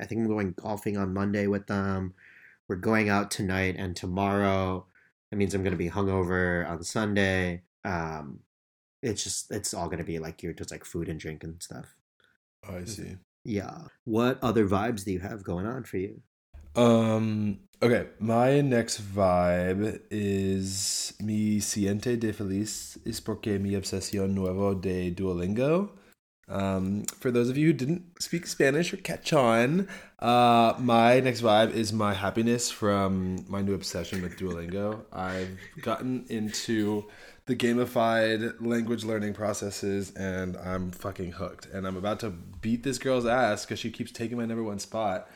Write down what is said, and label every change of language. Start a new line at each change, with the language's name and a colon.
English: I think I'm going golfing on Monday with them. We're going out tonight and tomorrow. That means I'm going to be hungover on Sunday. It's all going to be like you're just like food and drink and stuff. I see. Yeah. What other vibes do you have going on for you? Okay. My next vibe is
Spanish: mi siente de feliz es porque mi obsesión nuevo de Duolingo.
English: For those of you who didn't speak Spanish or catch on, my next vibe is my happiness from my new obsession with Duolingo. I've gotten into the gamified language learning processes and I'm fucking hooked, and I'm about to beat this girl's ass because she keeps taking my number one spot.